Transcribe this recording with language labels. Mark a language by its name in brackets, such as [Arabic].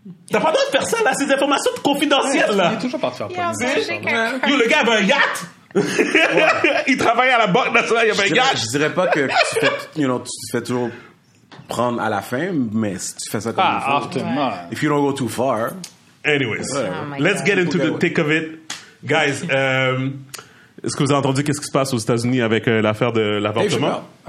[French] T'as pas le droit de faire ça, là, ces informations confidentielles, là. Il est toujours parti en police. Yo, le gars avait un yacht! Ouais. Il travaillait à la Banque Nationale, il avait un yacht! Je dirais pas que tu te fais toujours prendre à la fin, mais si tu fais ça comme il faut. [English] If you don't go too far. Anyways, let's get into the thick of it. [French] Guys, est-ce que vous avez entendu qu'est-ce qui se passe aux États-Unis avec l'affaire de l'avortement?